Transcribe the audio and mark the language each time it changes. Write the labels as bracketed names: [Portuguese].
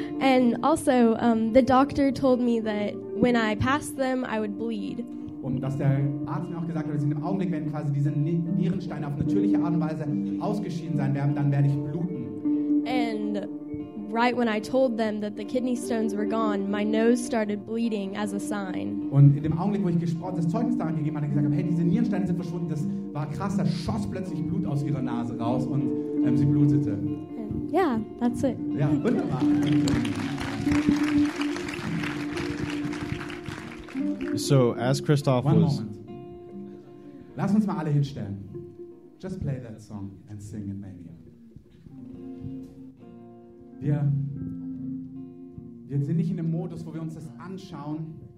[English] And also, the doctor told me that when I passed them, I would bleed. [German] Und dass der Arzt mir auch gesagt hat, dass in dem Augenblick, wenn quasi diese Nierensteine auf natürliche Art und Weise ausgeschieden sein werden, dann werde ich bluten. [English] And right when I told them that the kidney stones were gone, my nose started bleeding as a sign. [German] Und in dem Augenblick, wo ich gesprochen, das Zeugnis daran gegeben habe, gesagt habe, hey, diese Nierensteine sind verschwunden, das war krass, da schoss plötzlich Blut aus ihrer Nase raus und sie blutete. [English] Yeah, that's it. [German] Ja, wunderbar. [English] So, as Christoph one was... [German] Moment. Lass uns mal alle hinstellen. [English] Just play that song and sing it maybe. [German] Wir sind nicht in dem Modus, wo wir uns das anschauen.